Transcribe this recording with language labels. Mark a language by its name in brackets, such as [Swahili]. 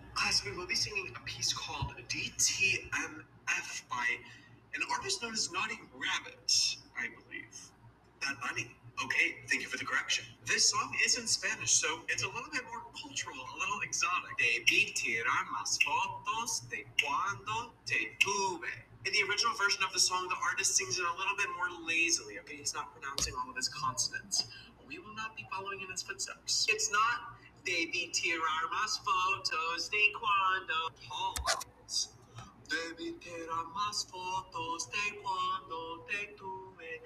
[English] guys, we will be singing a piece called DTMF by an artist known as Nodding Rabbit, I believe. Not Bunny. Okay, thank you for the correction. This song is in Spanish, so it's a little bit more cultural, a little exotic. [Spanish] Debí tirar más fotos de cuando te tuve. [English] In the original version of the song, the artist sings it a little bit more lazily, okay? He's not pronouncing all of his consonants. We will not be following in his footsteps. It's not [Spanish] Debí tirar más fotos de cuando. Pause. Debí tirar más fotos de cuando te tuve.